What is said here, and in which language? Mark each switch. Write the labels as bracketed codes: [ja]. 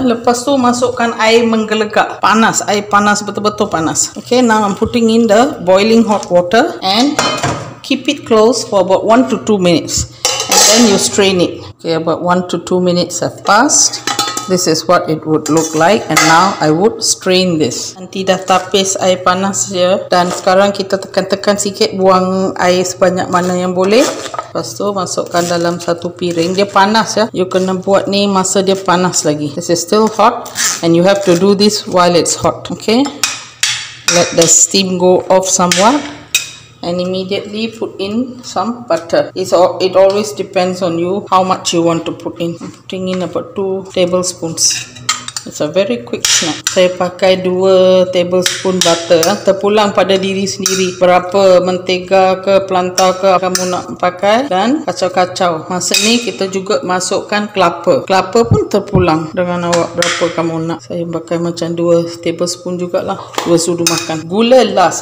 [ms] Lepas tu masukkan air menggelegak. Panas, air panas, betul-betul panas. [en] Okay, now I'm putting in the boiling hot water and keep it close for about 1 to 2 minutes. And then you strain it. Okay, about 1 to 2 minutes have passed. This is what it would look like. And now I would strain this. [ms] Nanti dah tapis air panas ya. Dan sekarang kita tekan-tekan sikit, buang air sebanyak mana yang boleh. Lepas tu masukkan dalam satu piring. Dia panas ya. You kena buat ni masa dia panas lagi. [en] This is still hot. And you have to do this while it's hot. Okay. Let the steam go off somewhat. And immediately put in some butter. It always depends on you how much you want to put in. I'm putting in about 2 tablespoons. It's a very quick snack. [ms] Saya pakai 2 tablespoon butter. Terpulang pada diri sendiri. Berapa mentega ke pelantar ke kamu nak pakai. Dan kacau-kacau. Masa ni kita juga masukkan kelapa. Kelapa pun terpulang dengan awak berapa kamu nak. Saya pakai macam 2 tablespoon jugalah. 2 sudu makan. Gula last.